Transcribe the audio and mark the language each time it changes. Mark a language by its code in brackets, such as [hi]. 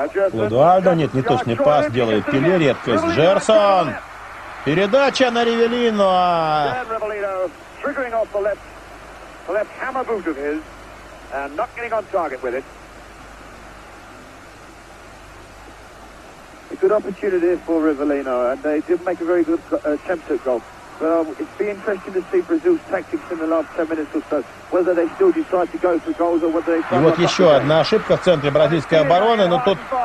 [ru] Клодуальдо, нет, не точный пас делает Пеле, редкость. Джерсон. Передача на Ривеллино. [en] Triggering off the left hammer boot of his and not getting on target with it. a good opportunity for Rivellino, and they did make a very good attempt at goal. But it'd be interesting to see Brazil's tactics in the last 10 minutes or so, whether they still decide to go for goals or whether they... [ru] И вот еще одна ошибка в центре бразильской обороны, но тут...